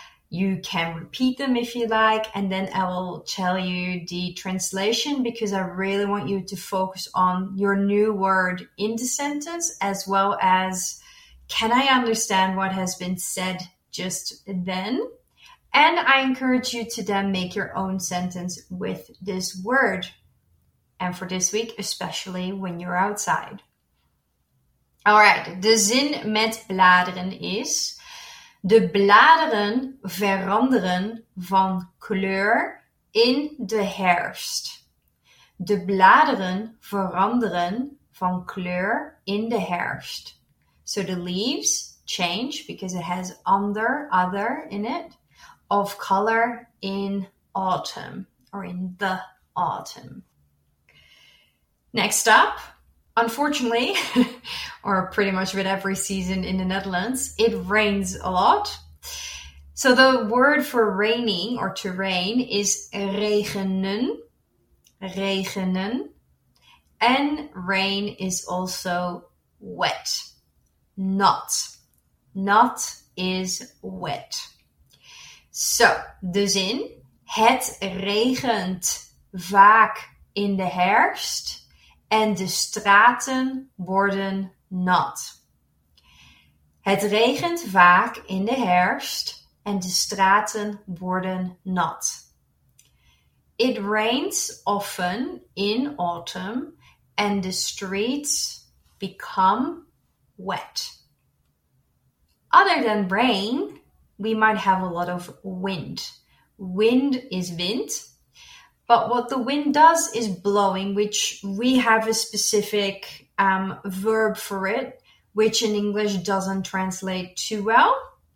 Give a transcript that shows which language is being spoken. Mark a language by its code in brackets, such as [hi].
[en] You can repeat them if you like. And then I will tell you the translation because I really want you to focus on your new word in the sentence as well as can I understand what has been said just then. And I encourage you to then make your own sentence with this word. And for this week, especially when you're outside. All right. [nl] De zin met bladeren is: de bladeren veranderen van kleur in de herfst. De bladeren veranderen van kleur in de herfst. [en] So the leaves change, because it has under, other in it, of color in autumn or in the autumn. Next up, unfortunately, or pretty much with every season in the Netherlands, it rains a lot. So the word for raining or to rain is regenen, regenen. And rain is also wet, nat. Nat is wet. [nl] So, de zin, het regent vaak in de herfst en de straten worden nat. Het regent vaak in de herfst en de straten worden nat. [en] It rains often in autumn and the streets become wet. Other than rain, we might have a lot of wind. Wind is wind. But what the wind does is blowing, which we have a specific verb for it, which in English doesn't translate too well.